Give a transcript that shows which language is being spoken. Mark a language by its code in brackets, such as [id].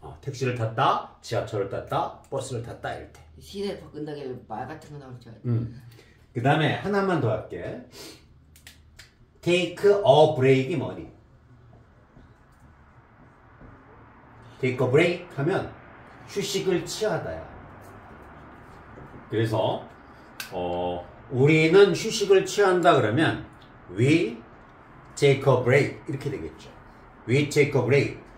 [ko] 택시를 탔다, 지하철을 탔다, 버스를 탔다 이럴 때. 시대 바꾼다길래 말 같은 거 나올 줄 그 다음에 하나만 더 할게. [en] Take a break [ko] 이 뭐니? Take a break 하면 휴식을 취하다야. 그래서 우리는 휴식을 취한다 그러면 [en] we take a break [ko] 이렇게 되겠죠. [en] We take a break.